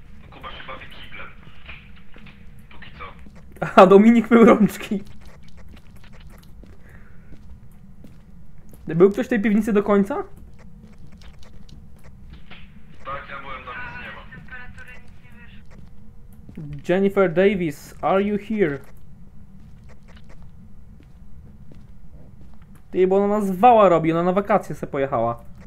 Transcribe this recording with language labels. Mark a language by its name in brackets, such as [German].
[Polish] Kuba się bawi kiblem. Póki co. Aha, Dominik mył rączki. Był ktoś w tej piwnicy do końca? Tak, ja byłem tam, nic nie ma. [English] Jennifer Davis, are you here? [Polish] Ty, bo ona nas zwała robi, ona na wakacje se pojechała.